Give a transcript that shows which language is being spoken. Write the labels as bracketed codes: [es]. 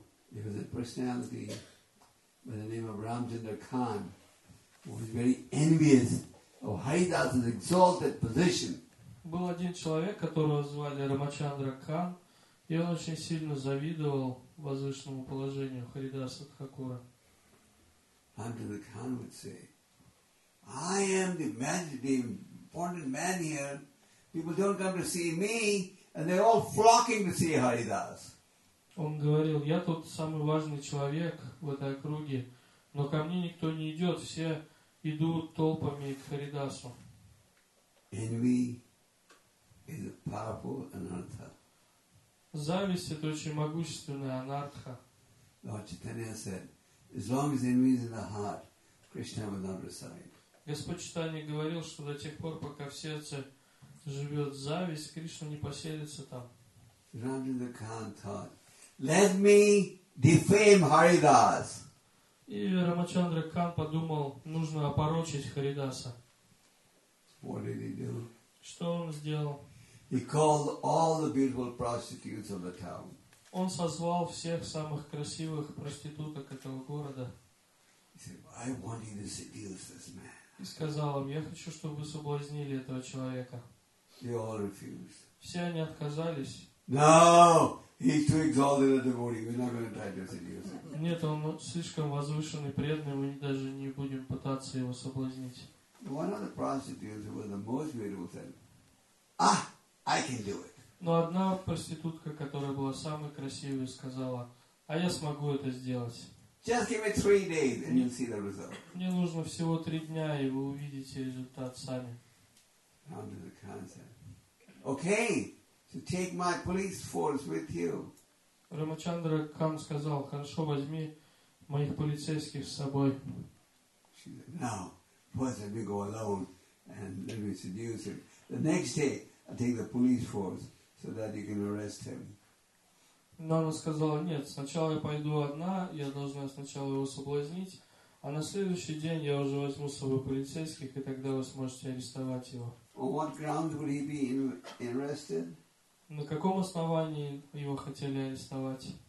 [en] He was a personality by the name of Ramchandra Khan, who was very envious of Haridas's exalted position. [ru] Был один человек, которого звали Рамачандра Кан, и он очень сильно завидовал возвышенному положению Харидаса Тхакура. [en] Ramchandra Khan would say, I am the magistrate. Important man here, people don't come to see me, and they're all flocking to see Haridas. [ru] Он говорил, я тут самый важный человек в этой округе, но ко мне никто не идет, все идут толпами к Харидасу. [en] Envy is a powerful anartha. [ru] Зависть это очень могущественная анартха. [en] Lord Chaitanya said, as long as envy is in the heart, Krishna will not reside. [ru] Господь Читания говорил, что до тех пор, пока в сердце живет зависть, Кришна не поселится там. [en] Ramchandra Khan thought, let me defame Haridas. [ru] И Рамачандра Кан подумал, нужно опорочить Харидаса. [en] What did he do? [ru] Что он сделал? [en] He called all the beautiful prostitutes of the town. [ru] Он созвал всех самых красивых проституток этого города. [en] He said, I want you to seduce this man. [ru] И сказал им, я хочу, чтобы вы соблазнили этого человека. [en] They all refused. [ru] Все они отказались. [en] No, he's too exalted a devotee. We're not going to try to seduce him. [ru] Нет, он слишком возвышенный преданный, мы даже не будем пытаться его соблазнить. [en] One of the prostitutes who was the most beautiful said, I can do it. [ru] Но одна проститутка, которая была самой красивой, сказала, а я смогу это сделать. [en] Just give it 3 days and you'll see the result. [ru] Мне нужно всего 3 дня, и вы увидите результат сами. [en] Under the concept. Okay, so take my police force with you. [ru] Рамачандра Кан сказал, хорошо, возьми моих полицейских с собой. [en] She said, no, first let me go alone and let me seduce him. The next day, I'll take the police force so that you can arrest him. [ru] Но она сказала, нет, сначала я пойду одна, я должна сначала его соблазнить, а на следующий день я уже возьму с собой полицейских, и тогда вы сможете арестовать его. [en] On what ground would he be arrested? [ru] На каком основании его хотели арестовать?